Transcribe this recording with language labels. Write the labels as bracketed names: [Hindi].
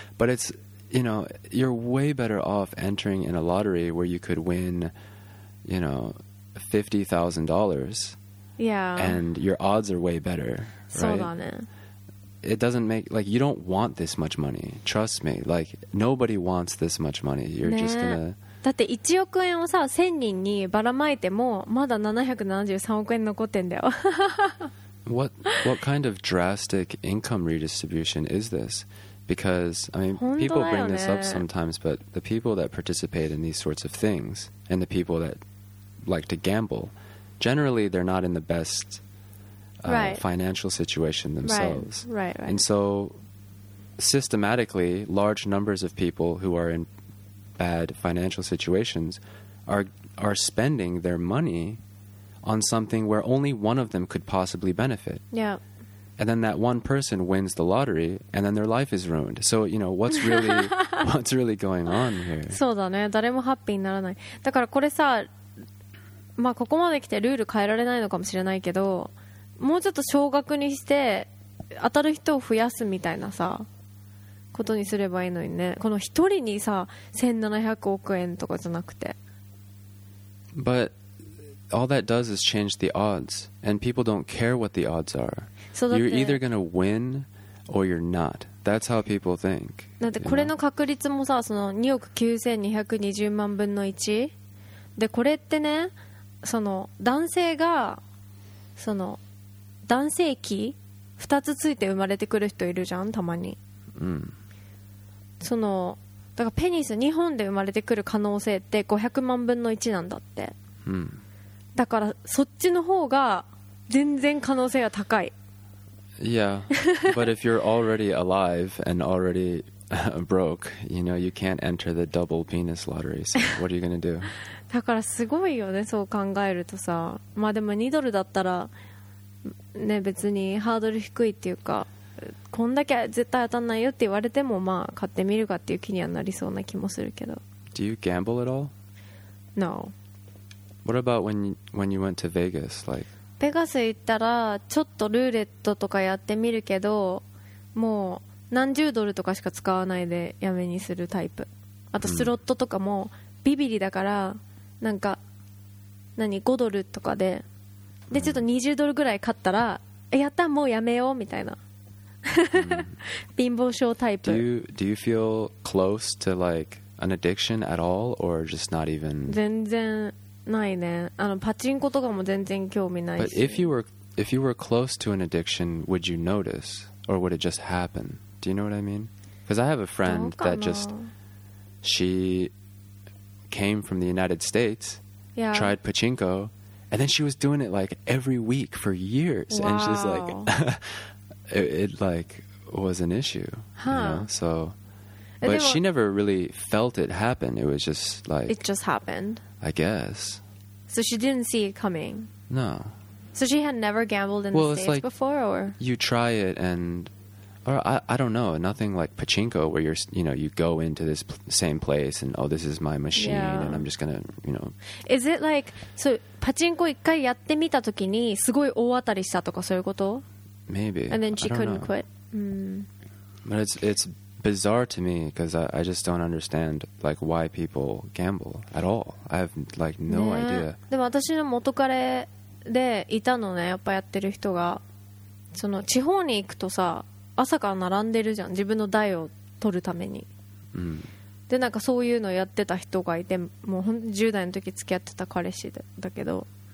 [English] But it's, you know, you're way better off entering in a lottery where you could win, you know, $50,000, yeah, and your odds are way better, right? [Japanese] そうだね。 [English] It doesn't make, like, you don't want this much money. Trust me. Like, nobody wants this much money. You're just gonna... [Japanese] だって1億円をさ、1000人にばらまいても、まだ773億円残ってんだよ。 [English] What kind of drastic income redistribution is this? Because, I mean, people bring this up sometimes, but the people that participate in these sorts of things, and the people that like to gamble, generally they're not in the best... financial situation themselves. Right. And so systematically, large numbers of people who are in bad financial situations are spending their money on something where only one of them could possibly benefit. Yeah. And then that one person wins the lottery and then their life is ruined. So, you know, what's really going on here? [Japanese] そうだね。誰もハッピーにならない。だからこれさ、まあここまで来てルール変えられないのかもしれないけど、もうちょっと少額にして当たる人を増やすみたいなさことにすればいいのにね。この一人にさ1700億円とかじゃなくて。 [English] But all that does is change the odds, and people don't care what the odds are. [Japanese] そうだって、 [English] You're either gonna win or you're not. That's how people think. [Japanese] だってこれの確率もさ、その2億9220万分の1で、これってね、その男性がその男性器2つついて生まれてくる人いるじゃん、たまに。うん。そのだからペニス2本で生まれてくる可能性って500万分の1なんだって。うん。だからそっちの方が全然可能性が高い。 [English] Yeah. But if you're already alive and already broke, you know, you can't enter the double penis lottery. So what are you gonna do? [Japanese] だからすごいよね、そう考えるとさ。まあでも2ドルだったらね、別にハードル低いっていうか、こんだけ絶対当たんないよって言われても、まあ買ってみるかっていう気にはなりそうな気もするけど。 [English] Do you gamble at all? No. What about when you went to Vegas? Like, [Japanese] ベガス行ったらちょっとルーレットとかやってみるけど、もう何十ドルとかしか使わないでやめにするタイプ。あとスロットとかもビビリだから、なんか何5ドルとかで、でちょっと20ドルぐらい買ったら、やったもうやめようみたいな。貧乏症タイプ。 [English] Do you feel close to like an addiction at all, or just not even? [Japanese] 全然ないね。あのパチンコとかも全然興味ないし。 [English] But if you were close to an addiction, would you notice, or would it just happen? Do you know what I mean? Because I have a friend that just, she came from the United States, yeah. Tried pachinko. And then she was doing it like every week for years. Wow. And she's like, it like was an issue. Huh. You know? So, but she never really felt it happen. It was just like, it just happened, I guess. So she didn't see it coming. No. So she had never gambled in, well, the States, like, before, or you try it and, or I don't know, nothing like pachinko where you're, you know, you go into this same place and, oh, this is my machine, yeah. And I'm just going to, you know. Is it like, so... [Japanese] パチンコ一回やってみたときにすごい大当たりしたとか、そういうこと？ [English] Maybe. And then she couldn't quit. But it's bizarre to me, because I just don't understand like why people gamble at all. I have like no idea. [Japanese] でも私の元彼でいたのね、やっぱやってる人が。その地方に行くとさ、朝から並んでるじゃん、自分の代を取るために。でなんかそういうのやってた人がいて、もう10代の時付き合ってた彼氏だけど、